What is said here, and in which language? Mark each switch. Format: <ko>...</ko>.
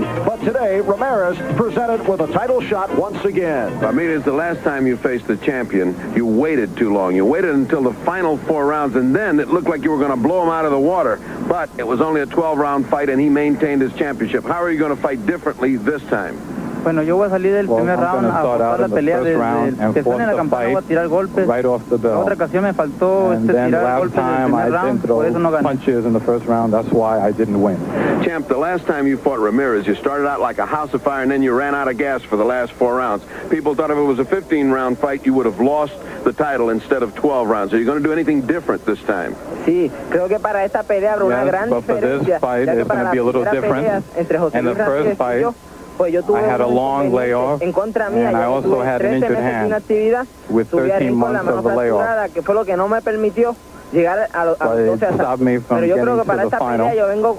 <en>But today, Ramirez presented with a title shot once again. I mean, it's the last time you faced the champion. You waited too long. You waited until the final four rounds, and then it looked like you were going to blow him out of the water. But it was only a 12-round fight, and he maintained his championship. How are you going to fight differently this time?</en> <es>Bueno, yo voy a salir del primer round a forzar la pelea desde que estén en la campana, voy a tirar golpes.</es> <en>Right off the bell.</en> <es>Otra ocasión me faltó tirar golpes en el primer round, por eso no gané.</es> <en>Punches in the first round, that's why I didn't win. Champ, the last time you fought Ramirez, you started out like a house of fire and then you ran out of gas for the last four rounds. People thought if it was a 15-round fight, you would have lost the title instead of 12 rounds. Are you going to do anything different this time?</en> <es>Sí, creo que para esta pelea habrá una gran diferencia.</es> <en>Yes, but for this fight, it's going to be a little different. And the first fight, I had a long layoff, and I also had an injured hand with 13 months of the layoff. But it stopped me from getting to the final.</en>